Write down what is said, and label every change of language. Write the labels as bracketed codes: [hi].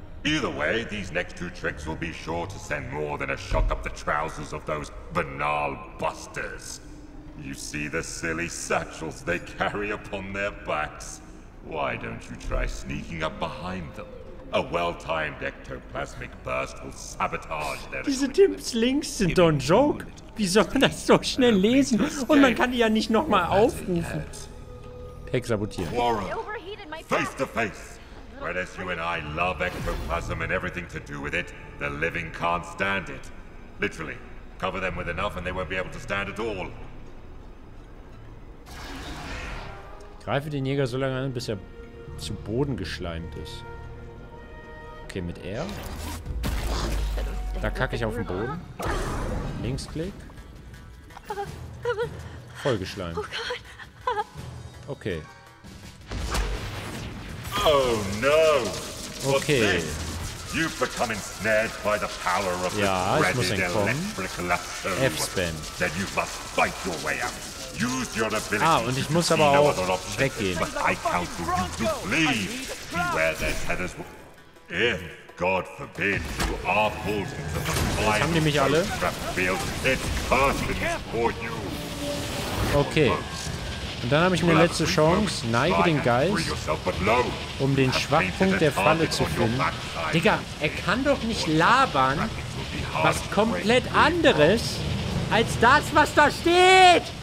[en] Either way, these next two tricks will be sure to send more than a shock up the trousers of those banal busters. You see the silly satchels they carry upon their backs? Why don't you try sneaking up behind them? A well-timed ectoplasmic burst will sabotage their... [de] Diese Tipps links sind doch ein Joke. Wie soll man das so schnell lesen? Und man kann die ja nicht nochmal aufrufen. Heck sabotieren. [en] Quarrel. Face to face. Right as you and I love ectoplasm and everything to do with it, the living can't stand it. Literally. Cover them with enough and they won't be able to stand at all. [de] Greife den Jäger so lange an, bis er zu Boden geschleimt ist. Okay, mit R. Da kacke ich auf den Boden. Linksklick. Vollgeschleimt. Okay. [en] Oh no! Okay. You've become ensnared by the power of the dreaded electric lasso. F-Spend. Then you must fight your way out. Use your ability [de] und ich muss aber auch weggehen. [en] But I counsel you to flee. Beware their tethers. If God forbid you are pulled into the fire, it's cursed for you. Okay. [de] Und dann habe ich mir letzte Chance, neige den Geist, um den Schwachpunkt der Falle zu finden. Digga, er kann doch nicht labern, was komplett anderes, als das, was da steht!